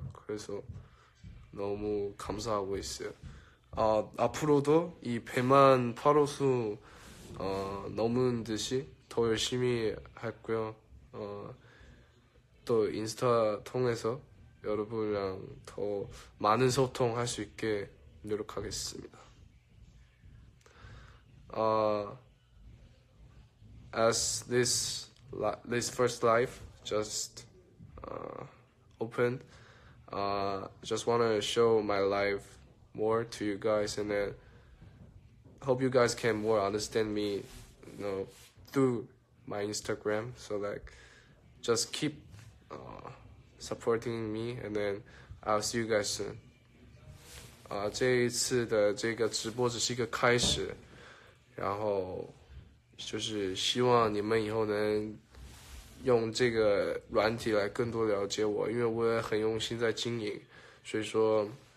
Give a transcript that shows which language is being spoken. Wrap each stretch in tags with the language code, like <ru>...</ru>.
<ko>그래서 너무 감사하고 있어요. 앞으로도 이 배만 8호수 넘은 듯이 더 열심히 했고요. 또 인스타 통해서 여러분이랑 더 많은 소통할 수 있게 노력하겠습니다.</ko> <en>As this first life just opened, just wanna show my life more to you guys, and then hope you guys can more understand me, through my Instagram. So like, just keep supporting me, and then I'll see you guys soon.</en> <zh>这一次的这个直播只是一个开始，然后就是希望你们以后能用这个软体来更多了解我，因为我也很用心在经营，所以说。</zh>